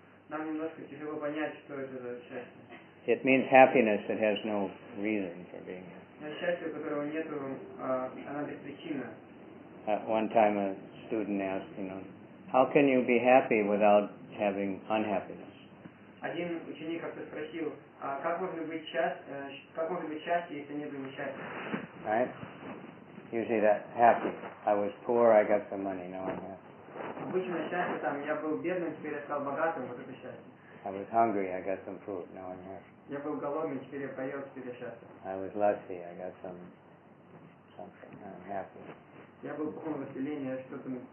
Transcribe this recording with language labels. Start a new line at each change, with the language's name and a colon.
English: It means happiness that has no reason for being here. At one time a student asked, you know, how can you be happy without having unhappiness?
Russian: Один ученик как-то спросил, а как можно быть счастливым, если нет несчастья?
English: Right? Usually that happy. I was poor, I got some money, now I'm happy.
Russian: Обычно счастье там, я был бедным, теперь я стал богатым, вот это счастье.
English: I was hungry, I got some food, now I'm happy.
Russian: Я был голодный, теперь я поел, теперь я счастлив.
English: I was lucky, I got something, I'm happy.
Russian: Я был полным населением, я что-то...